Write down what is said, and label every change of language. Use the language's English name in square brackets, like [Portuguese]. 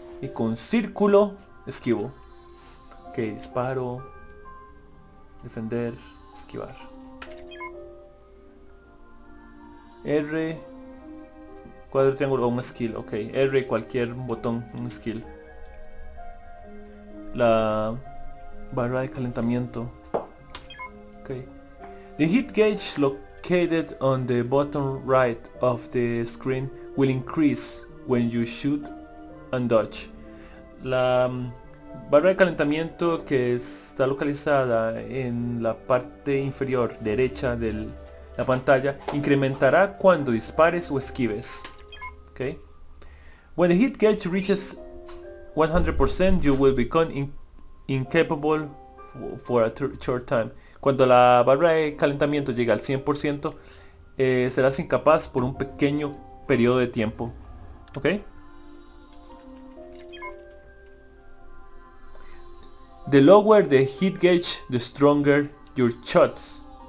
[Spanish] Y con círculo esquivo. Ok, disparo. Defender. Esquivar. R. Cuadro, triángulo o un skill. Ok, R, cualquier botón, un skill. La barra de calentamiento. Ok. [English] The heat gauge located on the bottom right of the screen will increase when you shoot and dodge. [Spanish] La barra de calentamiento que está localizada en la parte inferior derecha de la pantalla incrementará cuando dispares o esquives. Ok. [English] When the heat gauge reaches 100%, you will become incapable for a short time. [Spanish] Cuando la barra de calentamiento llegue al 100%, serás incapaz por un pequeño periodo de tiempo. Ok. [English] The lower the heat gauge, the stronger your shots.